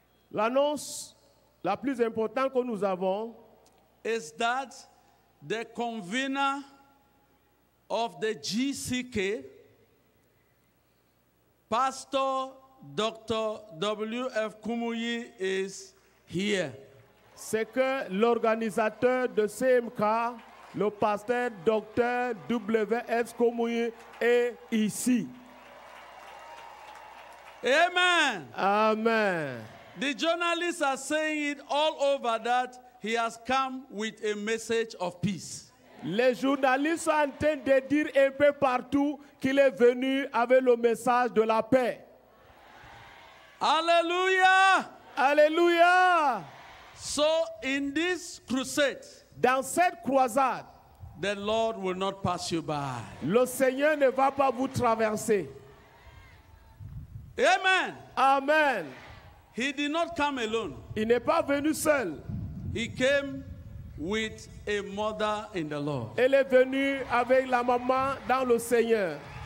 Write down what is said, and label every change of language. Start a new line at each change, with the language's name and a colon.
French: L'annonce la plus importante que nous avons
English: is that the convener of the GCK, Pastor Dr. W.F. KUMUYI, is here.
French: C'est que l'organisateur de CMK, le pasteur Dr. W.F. KUMUYI, est ici. Amen. Amen.
English: The journalists are saying it all over that he has come with a message of peace.
French: Les journalistes sont en train de dire un peu partout qu'il est venu avec le message de la paix. Alléluia! Alléluia!
English: So in this crusade,
French: dans cette croisade,
English: the Lord will not pass you by.
French: Le Seigneur ne va pas vous traverser. Amen. Amen.
English: He did not come alone.
French: Il n'est pas venu seul.
English: He came with a mother in the Lord.
French: Elle est venue avec la maman dans le Seigneur.